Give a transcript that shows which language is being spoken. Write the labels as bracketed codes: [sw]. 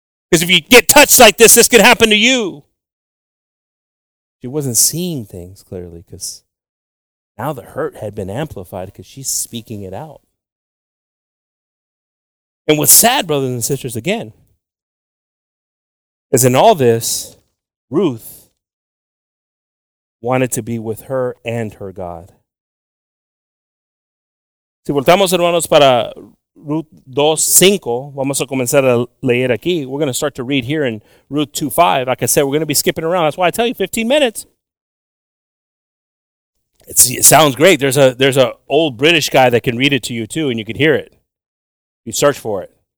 [en] Because if you get touched like this, this could happen to you. She wasn't seeing things clearly because now the hurt had been amplified because she's speaking it out. And what's sad, brothers and sisters, again, is in all this, Ruth wanted to be with her and her God. [es] Si voltamos, hermanos, para Ruth 2:5, vamos a comenzar a leer aquí. [en] We're going to start to read here in Ruth 2:5. Like I said, we're going to be skipping around. That's why I tell you, 15 minutes. It sounds great. There's a old British guy that can read it to you, too, and you can hear it. You search for it.